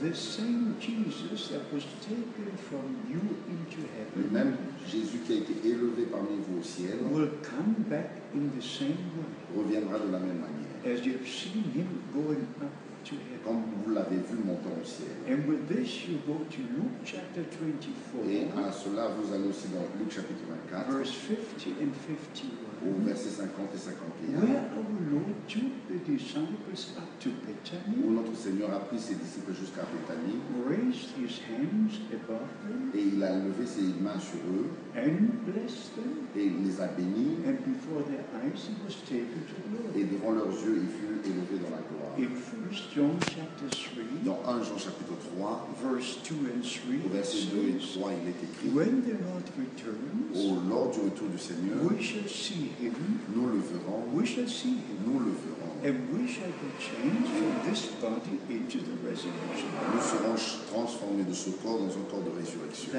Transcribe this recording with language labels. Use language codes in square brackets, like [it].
[en] the same Jesus that was taken from you into heaven, [fr] le même Jésus qui a été élevé parmi vous au ciel, [en] will come back in the same way, [fr] reviendra de la même manière, [en] as you have seen him going up to heaven, [fr] comme vous l'avez vu montant au ciel. [en] And with this you go to Luke chapter 24, [fr] et à cela vous allez aussi dans Luke chapitre 24, [en] verse 50 and 51, [fr] au verset 50 et 51, [en] where our Lord took the disciples up to Bethany, [fr] où notre Seigneur a pris ses disciples jusqu'à Bethany, [en] raised his hands above them, [fr] et il a levé ses mains sur eux, [en] and blessed them, [fr] et il les a bénis, [en] and before their eyes he was taken to glory, [fr] et devant leurs yeux il fut élevé dans la gloire. [en] In 1 John chapter 3, [fr] dans 1 Jean chapitre 3, [en] verse 2 and 3, [fr] au verset 2 et 3, il est écrit, [en] when the Lord returns, [fr] au lors du retour du Seigneur, [en] we shall see him, [fr] nous le verrons, [en] we shall see him, [fr] nous le verrons, [en] and we shall be changed from this body into the resurrection. [fr] Nous serons transformés de ce corps dans un corps de résurrection.